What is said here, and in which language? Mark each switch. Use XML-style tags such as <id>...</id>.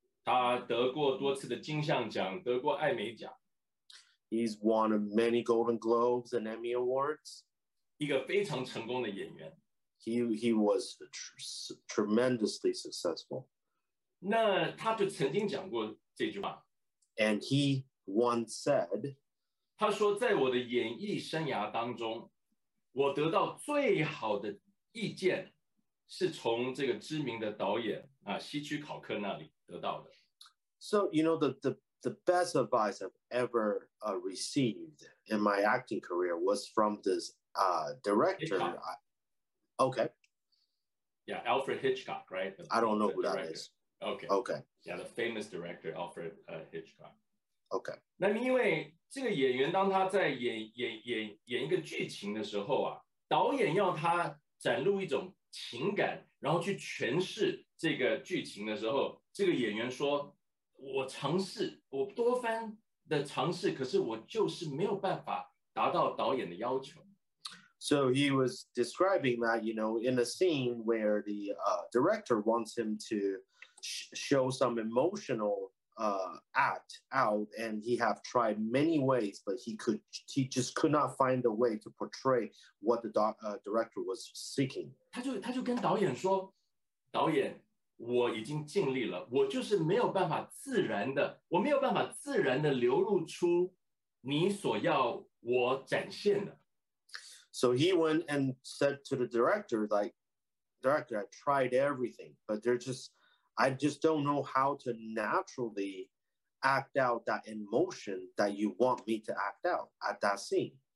<zh>他得过多次的金像奖，得过艾美奖。</zh> <en>He's won many Golden Globes and Emmy Awards.</en> <zh>一个非常成功的演员。</zh> <en>He was tremendously successful.</en> <zh>那他就曾经讲过这句话。</zh> <en>And he once said,</en> <zh>他说在我的演艺生涯当中，我得到最好的意见是从这个知名的导演希区考克那里得到的。</zh> <en>So, you know, the best advice I've ever received in my acting career was from this director. Hitchcock. Okay. Yeah, Alfred Hitchcock, right? I don't know who that is. Okay. Okay. Yeah, the famous director Alfred Hitchcock. Okay.</en> <zh>那因为这个演员当他在演一个剧情的时候啊，导演要他展露一种情感，然后去诠释这个剧情的时候，这个演员说：“我尝试，我多番的尝试，可是我就是没有办法达到导演的要求。”</zh> <en>So he was describing that, you know, in a scene where the director wants him to show some emotional act out, and he have tried many ways, but he just could not find the way to portray what the director was seeking.</en> <zh>他就跟导演说，导演，我已经尽力了，我就是没有办法自然的，我没有办法自然的流露出你所要我展现的。</zh> <en>So he went and said to the director, like, director, I tried everything, but I just don't know how to naturally act out that emotion that you want me to act out at that scene.</en>